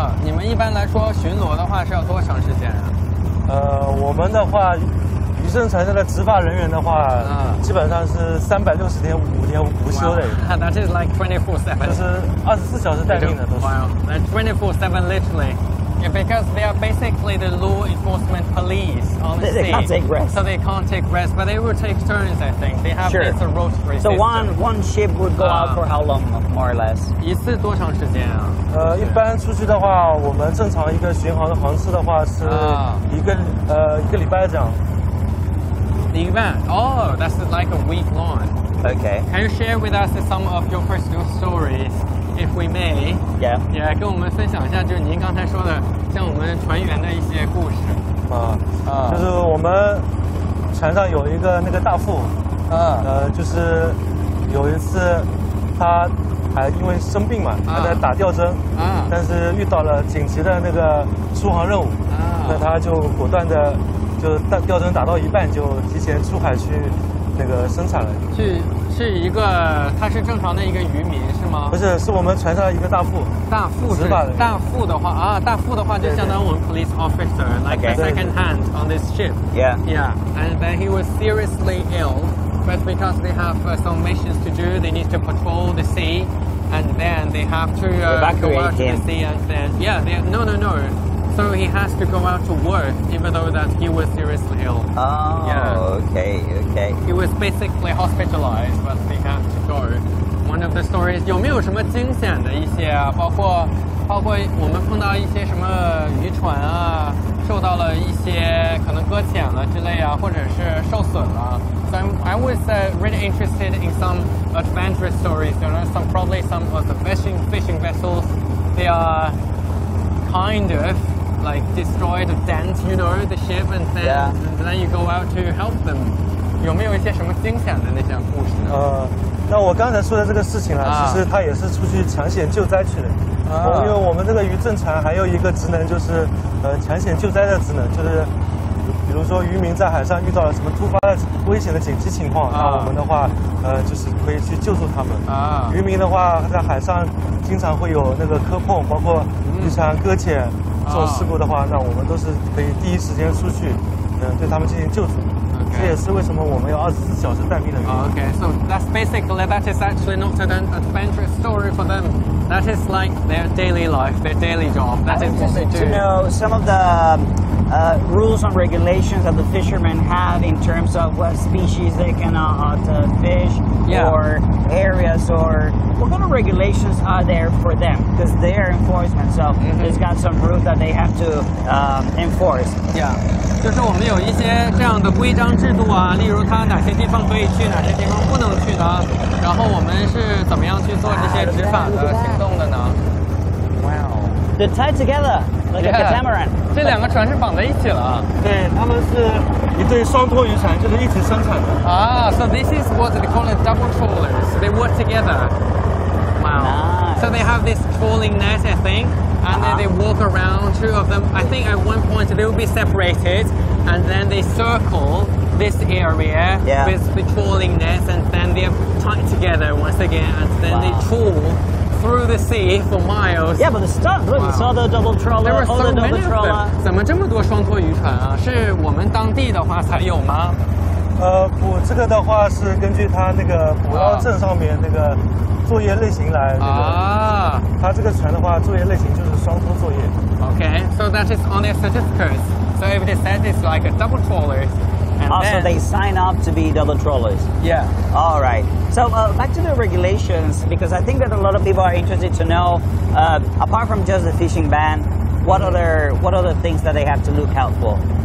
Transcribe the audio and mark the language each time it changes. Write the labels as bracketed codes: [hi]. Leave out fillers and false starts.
[zh] 你们一般来说巡逻的话是要多长时间啊？我们的话，渔政船上的执法人员的话，基本上是360天五天无休的。 [en] That is like 24/7. [zh] 就是24小时待命的都是。 [en] Wow, like 24/7 literally. Yeah, because they are basically the law enforcement police on the sea. They can't take rest. So they can't take rest, but they will take turns, I think. They have sure. this rotary system. So one ship would go out for how long, more or less? [zh] 一次多长时间啊？一般出去的话，我们正常一个巡航的航次的话是一个一个礼拜这样。礼拜？ [en] That's like a week long. Okay. Can you share with us some of your personal stories? If we may, yeah, [zh] 跟我们分享一下，就是您刚才说的，像我们船员的一些故事。就是我们船上有一个那个大副，就是有一次他还因为生病嘛，他在打吊针，但是遇到了紧急的那个出航任务，那他就果断的就吊针打到一半就提前出海去那个生产了。是一个，他是正常的一个渔民是吗？不是，是我们船上一个大副。大副执法的。大副的话大副的话就相当于我们 [en] police officer, like a second hand on this ship. Yeah. And then he was seriously ill, but because they have some missions to do, they need to patrol the sea, and then they have to evacuate go out to the sea, and then no. So he has to go out to work, even though that he was seriously ill. Okay. He was basically hospitalized, but they have to go. One of the stories, [zh] 有没有什么惊险的一些啊？包括我们碰到一些什么渔船啊，受到了一些可能搁浅了之类啊，或者是受损了。 [en] So I was really interested in some adventurous stories. There are probably some of the fishing vessels. They are kind of like destroyed, dent, you know, the ship, and then,、 yeah. and then you go out to help them. [zh] 有没有一些什么惊险的那些故事呢？那我刚才说的这个事情啊，其实他也是出去抢险救灾去的。因为我们这个渔政船还有一个职能，就是抢险救灾的职能，就是比如说渔民在海上遇到了什么突发的危险的紧急情况，那我们的话，就是可以去救助他们。渔民的话在海上经常会有那个磕碰，包括渔船搁浅这种事故的话，那我们都是可以第一时间出去，对他们进行救助。 [en] Okay. [zh] 这也是为什么我们要24小时待命的原因。 [en] Okay, so that's basically that is actually not an adventurous story for them. That is like their daily life, their daily job. That is what they do. To know some of the rules and regulations that the fishermen have in terms of what species they cannot fish, yeah. or areas, or what kind of regulations are there for them? Because they're enforcement, so mm-hmm. it's got some rules that they have to enforce. Yeah. [zh] 就是我们有一些这样的规章制度啊，例如它哪些地方可以去，哪些地方不能去呢？然后我们是怎么样去做这些执法的行动的呢？ [en] Wow. They're tied together like a catamaran. [zh] 这两个船是绑在一起了。对，他们是一对双拖渔船，就是一起生产的。 [en] So this is what they call a double trawler. They work together. Wow. Nice. So they have this trawling net, I think. And then they walk around, two of them, I think at one point they will be separated, and then they circle this area、 yeah. with the trawling nets, and then they are tied together once again, and then、 wow. they trawl through the sea for miles. Yeah, but the stunt, look,、 wow. you saw the double trawler, there were so many double trawler. [zh] 怎么这么多双拖渔船啊？是我们当地的话才有吗？不，这个的话是根据它那个捕捞证上面那个作业类型来那个。它这个船的话，作业类型就是双拖作业。 [en] Okay, so that is on their certificates. So if they said it's like a double trawler, and then... so they sign up to be double trawlers. Yeah. All right. So back to the regulations, because I think that a lot of people are interested to know, apart from just the fishing ban, What other things that they have to look out for?